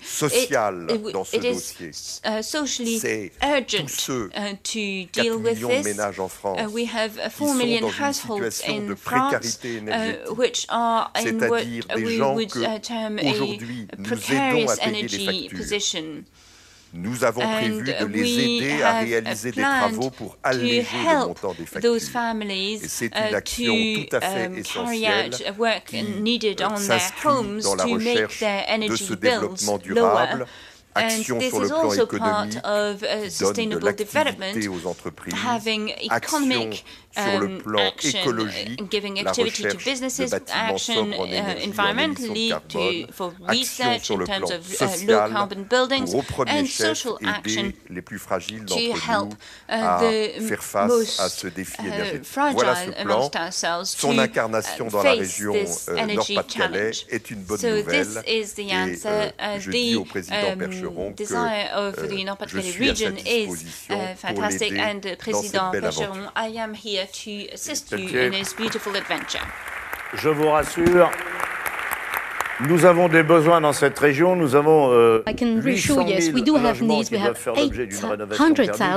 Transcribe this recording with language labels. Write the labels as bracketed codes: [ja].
[en] it is socially urgent to deal with this. We have 4 million households in France which are in what we would term a precarious energy position. [fr] Nous avons prévu de les aider à réaliser des travaux pour alléger le montant des factures. Et c'est une action tout à fait essentielle qui s'inscrit dans la recherche de ce développement durable. Action sur le plan économique qui donne de l'activité aux entreprises, action sur le plan écologique, la recherche de bâtiments sobres en énergie et en émission de carbone, action sur le plan social pour au premier chef aider les plus fragiles d'entre nous à faire face à ce défi énergétique. Voilà ce plan, son incarnation dans la région Nord-Pas-de-Calais est une bonne nouvelle et je dis au président Percheron [en] the desire of the Nord-Pas-de-Calais region is fantastic, and President Bergeron, I am here to assist you in this beautiful adventure. [fr] Je vous rassure, nous avons des besoins dans cette région. Nous avons 800 000 logements qui vont faire l'objet d'une rénovation thermique.